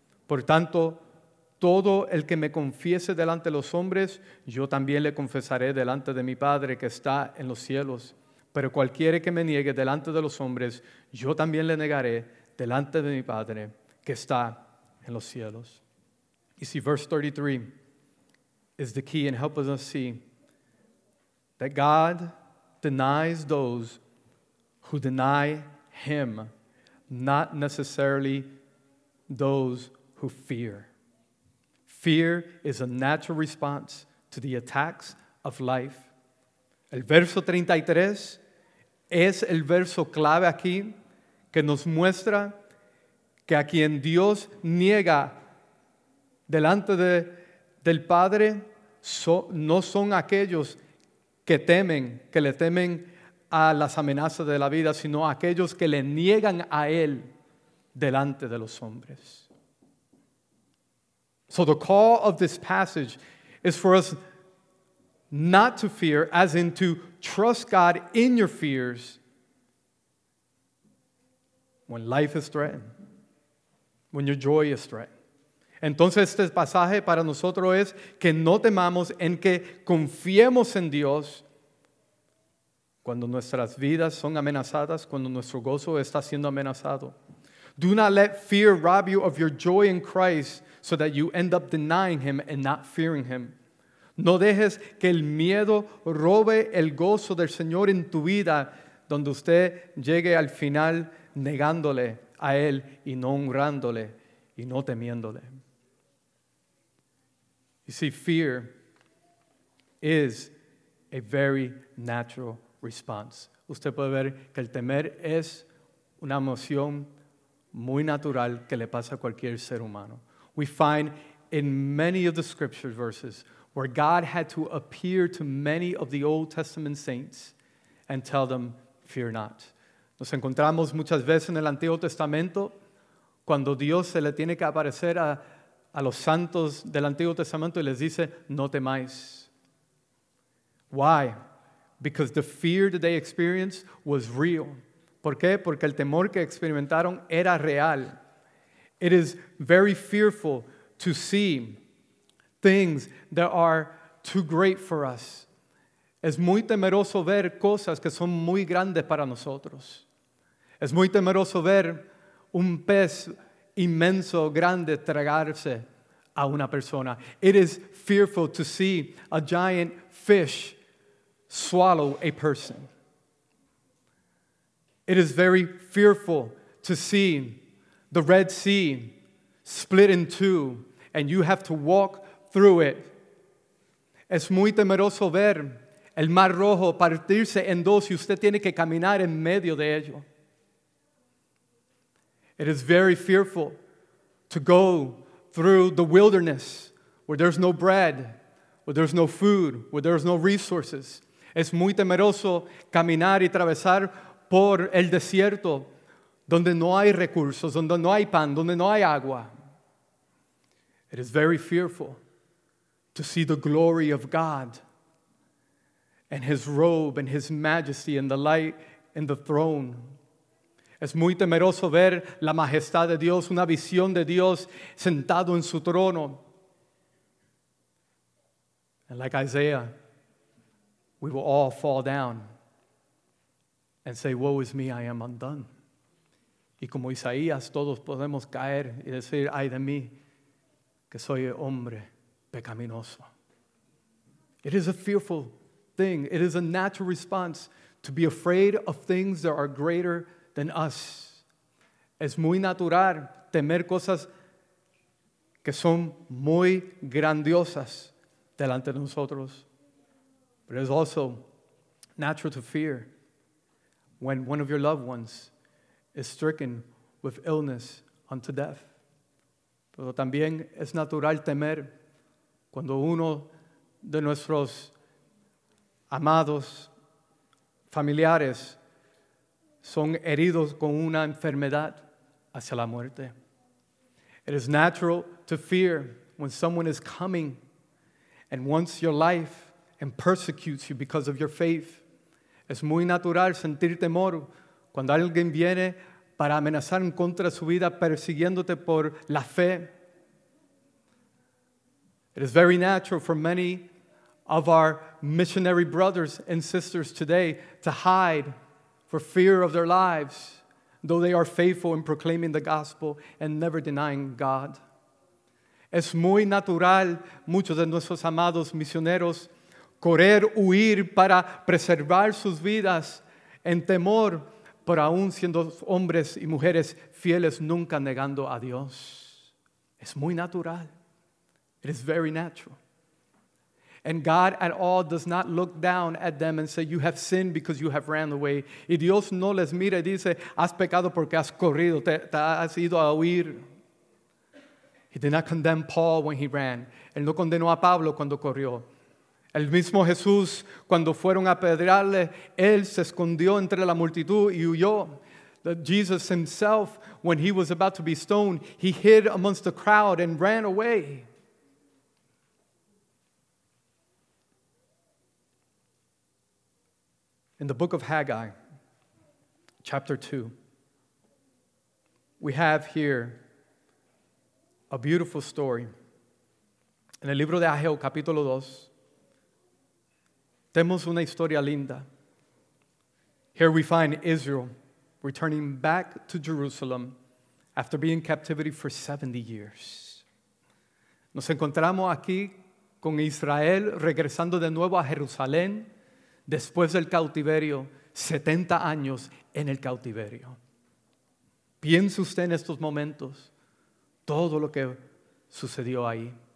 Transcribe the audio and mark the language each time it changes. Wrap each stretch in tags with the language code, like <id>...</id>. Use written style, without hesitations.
<es>Por tanto, todo el que me confiese delante de los hombres, yo también le confesaré delante de mi Padre que está en los cielos. Pero cualquiera que me niegue delante de los hombres, yo también le negaré delante de mi Padre que está en los cielos.</es> <en>You see, verse 33 is the key in helping us see that God denies those who deny Him, not necessarily those who fear. Fear is a natural response to the attacks of life.</en> <es>El verso 33 es el verso clave aquí que nos muestra que a quien Dios niega delante del Padre no son aquellos que le temen a las amenazas de la vida, sino aquellos que le niegan a Él delante de los hombres.</es> <en>So the call of this passage is for us not to fear, as in to trust God in your fears when life is threatened. When your joy is threatened.</en> <es>Entonces este pasaje para nosotros es que no temamos, en que confiemos en Dios cuando nuestras vidas son amenazadas, cuando nuestro gozo está siendo amenazado.</es> <en>Do not let fear rob you of your joy in Christ so that you end up denying Him and not fearing Him.</en> <es>No dejes que el miedo robe el gozo del Señor en tu vida, donde usted llegue al final negándole a Él y no honrándole y no temiéndole.</es> <en>You see, fear is a very natural response.</en> <es>Usted puede ver que el temer es una emoción muy natural que le pasa a cualquier ser humano.</es> <en>We find in many of the scripture verses where God had to appear to many of the Old Testament saints and tell them, fear not.</en> <es>Nos encontramos muchas veces en el Antiguo Testamento cuando Dios se le tiene que aparecer a los santos del Antiguo Testamento y les dice, no temáis.</es> <en>Why? Because the fear that they experienced was real.</en> <es>¿Por qué? Porque el temor que experimentaron era real.</es> <en>It is very fearful to see things that are too great for us.</en> <es>Es muy temeroso ver cosas que son muy grandes para nosotros. Es muy temeroso ver un pez inmenso, grande, tragarse a una persona.</es> <en>It is fearful to see a giant fish swallow a person. It is very fearful to see the Red Sea split in two and you have to walk through it.</en> <es>Es muy temeroso ver el Mar Rojo partirse en dos y usted tiene que caminar en medio de ello.</es> <en>It is very fearful to go through the wilderness where there's no bread, where there's no food, where there's no resources.</en> <es>Es muy temeroso caminar y atravesar por el desierto donde no hay recursos, donde no hay pan, donde no hay agua.</es> <en>It is very fearful to see the glory of God and His robe and His majesty and the light in the throne.</en> <es>Es muy temeroso ver la majestad de Dios, una visión de Dios sentado en su trono.</es> <en>And like Isaiah, we will all fall down and say, woe is me, I am undone.</en> <es>Y como Isaías, todos podemos caer y decir, ay de mí, que soy hombre pecaminoso.</es> <en>It is a fearful thing. It is a natural response to be afraid of things that are greater than us.</en> <es>Es muy natural temer cosas que son muy grandiosas delante de nosotros.</es> <en>But it's also natural to fear when one of your loved ones is stricken with illness unto death.</en> <es>Pero también es natural temer cuando uno de nuestros amados familiares son heridos con una enfermedad hacia la muerte.</es> <en>It is natural to fear when someone is coming and wants your life and persecutes you because of your faith.</en> <es>Es muy natural sentir temor cuando alguien viene para amenazar en contra de su vida persiguiéndote por la fe.</es> <en>It is very natural for many of our missionary brothers and sisters today to hide for fear of their lives, though they are faithful in proclaiming the gospel and never denying God.</en> <es>Es muy natural, muchos de nuestros amados misioneros, correr, huir para preservar sus vidas en temor, pero aún siendo hombres y mujeres fieles, nunca negando a Dios. Es muy natural.</es> <en>It is very natural. And God at all does not look down at them and say, you have sinned because you have ran away.</en> <es>Y Dios no les mira y dice, has pecado porque has corrido, te has ido a huir.</es> <en>He did not condemn Paul when he ran.</en> <es>Él no condenó a Pablo cuando corrió. El mismo Jesús, cuando fueron a apedrearle, él se escondió entre la multitud y huyó.</es> <en>Jesus himself, when he was about to be stoned, he hid amongst the crowd and ran away. In the book of Haggai, chapter 2, we have here a beautiful story.</en> <es>En el libro de Ageo, capítulo 2, tenemos una historia linda.</es> <en>Here we find Israel returning back to Jerusalem after being in captivity for 70 years.</en> <es>Nos encontramos aquí con Israel regresando de nuevo a Jerusalén después del cautiverio, 70 años en el cautiverio. Piense usted en estos momentos, todo lo que sucedió ahí.</es>